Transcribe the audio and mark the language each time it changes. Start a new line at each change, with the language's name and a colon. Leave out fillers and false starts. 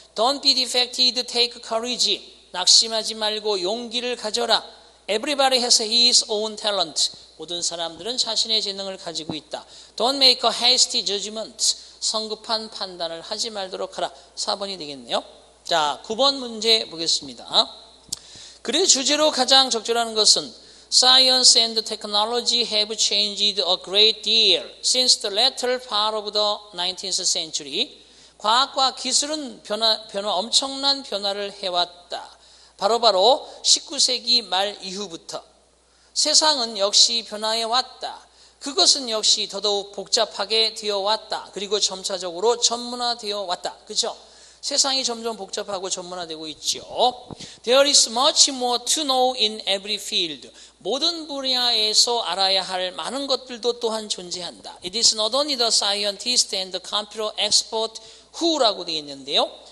English: Don't be defeated, take courage.
Korean: 낙심하지 말고 용기를 가져라.
English: Everybody has his own talent.
Korean: 모든 사람들은 자신의 재능을 가지고 있다.
English: Don't make a hasty judgment.
Korean: 성급한 판단을 하지 말도록 하라. 4번이 되겠네요. 자, 9번 문제 보겠습니다. 글의 주제로 가장 적절한 것은
English: Science and technology have changed a great deal since the latter part of the 19th century.
Korean: 과학과 기술은 엄청난 변화를 해왔다. 바로 19세기 말 이후부터 세상은 역시 변화해 왔다. 그것은 역시 더더욱 복잡하게 되어 왔다. 그리고 점차적으로 전문화되어 왔다. 그렇죠? 세상이 점점 복잡하고 전문화되고 있죠.
English: There is much more to know in every field.
Korean: 모든 분야에서 알아야 할 많은 것들도 또한 존재한다.
English: It is not only the scientist and the computer expert who
Korean: 라고 되어 있는데요.